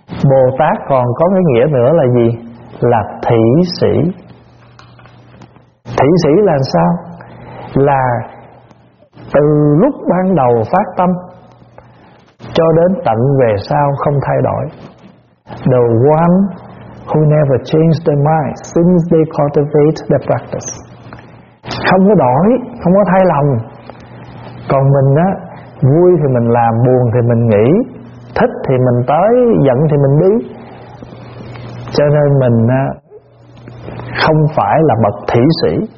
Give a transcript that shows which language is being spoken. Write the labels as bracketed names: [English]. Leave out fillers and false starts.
[Vietnamese] Bồ Tát còn có cái nghĩa nữa là gì? Là thỉ sĩ. Thỉ sĩ là sao? Là từ lúc ban đầu phát tâm cho đến tận về sau không thay đổi. [English] The one who never changed their mind since they cultivate the practice. [Vietnamese] Không có đổi, không có thay lòng. Còn mình á, vui thì mình làm, buồn thì mình nghĩ, thích thì mình tới, giận thì mình đi. Cho nên mình không phải là bậc thỉ sĩ.